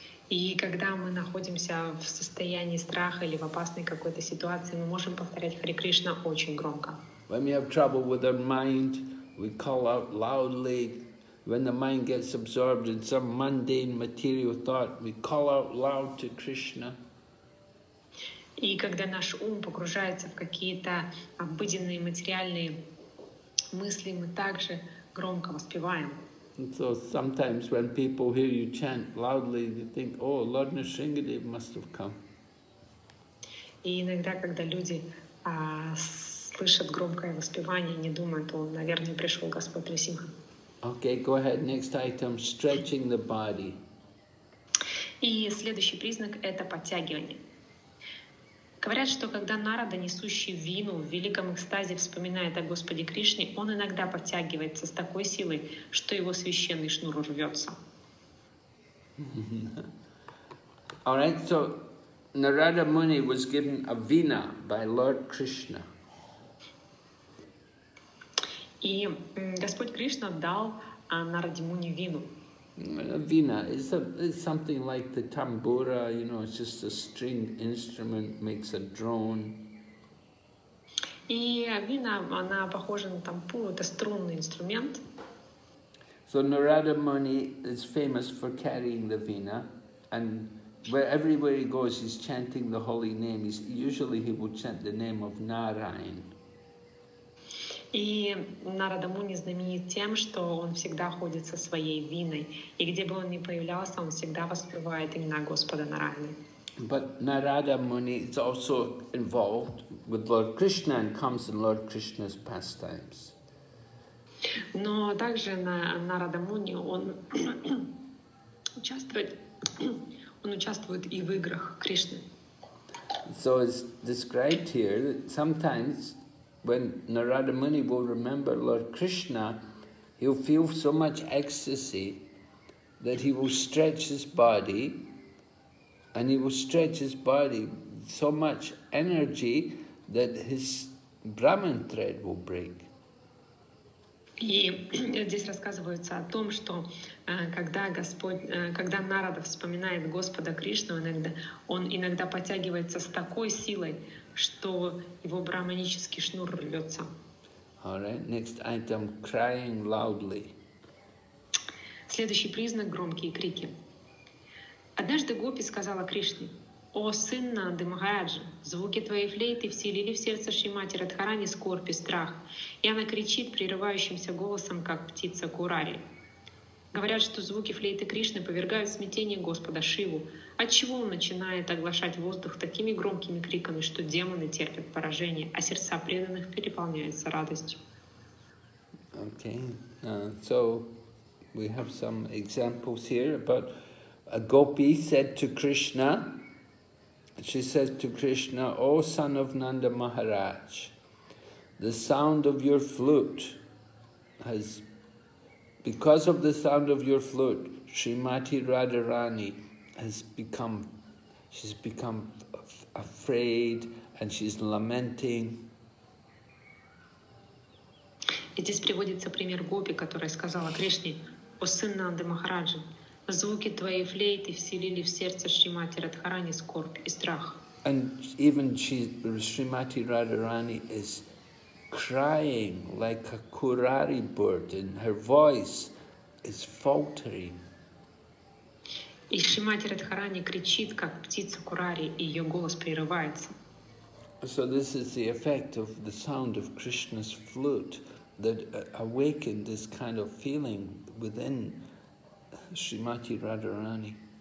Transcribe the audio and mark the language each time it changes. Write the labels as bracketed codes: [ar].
[ru] И когда мы находимся в состоянии страха или в опасной какой-то ситуации, мы можем повторять Хари Кришна очень громко. [en] When we have trouble with our mind, we call out loudly. When the mind gets absorbed in some mundane material thought, we call out loud to Krishna. [ru] И когда наш ум погружается в какие-то обыденные материальные мысли, мы также громко воспеваем. [en] And so sometimes when people hear you chant loudly, they think, oh, Lord Nrisimhadeva must have come. [ru] И иногда, когда люди слышат громкое воспевание, не думают, о, наверное, пришел Господь Нрисимха. [en] Okay, go ahead. Next item, stretching the body. [ru] И следующий признак – это подтягивание. Говорят, что когда Нарада, несущий вину, в великом экстазе вспоминает о Господе Кришне, он иногда подтягивается с такой силой, что его священный шнур рвется. [en] All right, so Narada Muni was given a vina by Lord Krishna. [ru] И Господь Кришна дал Нараде Муни вину. [en] Vina is something like the tambura, you know, it's just a string instrument, makes a drone. [ru] И вина, она похожа на тампуру, это струнный инструмент. [en] So Narada Muni is famous for carrying the vina, and everywhere he goes, he's chanting the holy name. Usually he will chant the name of Narayan. [ru] И Нарада Муни знаменит тем, что он всегда ходит со своей виной. И где бы он ни появлялся, он всегда воспевает имена Господа Нараяны. [en] But Narada Muni is also involved with Lord Krishna and comes in Lord Krishna's pastimes. [ru] Но также Нарада Муни, он участвует и в играх Кришны. [en] So it's described here that sometimes when Narada Muni will remember Lord Krishna, he'll feel so much ecstasy that he will stretch his body, and he will stretch his body so much energy that his Brahman thread will break. [ru] И здесь рассказывается о том, что когда Нарада вспоминает Господа Кришну, он иногда подтягивается с такой силой, что его брахманический шнур рвется. [en] All right, next item, crying loudly. [ru] Следующий признак — громкие крики. Однажды гопи сказала Кришне: «О, сын Нанды Махараджа, звуки твоей флейты вселили в сердце Шримати Радхарани скорбь и страх, и она кричит прерывающимся голосом, как птица Курари». Говорят, что звуки флейты Кришны повергают смятение Господа Шиву, отчего он начинает оглашать воздух такими громкими криками, что демоны терпят поражение, а сердца преданных переполняются радостью. [en] Okay, so we have some examples here about a gopi said to Krishna, she says to Krishna, O son of Nanda Maharaj, the sound of your flute has, because of the sound of your flute, Srimati Radharani has become afraid and she's lamenting. [ru] И здесь приводится пример гопи, которая сказала Кришне: «О сын Нанды Махараджа, звуки твоей флейты вселили в сердце Шримати Радхарани скорбь и страх». [en] And even Srimati Radharani is crying like a Kurari bird, and her voice is faltering. [ru] И Шримати Радхарани кричит, как птица Курари, и ее голос прерывается. [en] So this is the effect of the sound of Krishna's flute that awakened this kind of feeling within Shrimati Radharani.